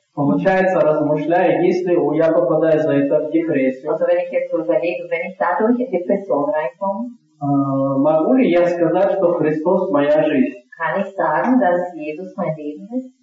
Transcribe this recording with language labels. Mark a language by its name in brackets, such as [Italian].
[Russian] Получается, размышляя, если я попадаю за это в депрессию. [German] Also wenn ich jetzt überlege, wenn ich dadurch in Depression reinkomme, [Russian] могу ли я сказать, что Христос моя жизнь? [German] Kann ich sagen, dass Jesus mein Leben ist?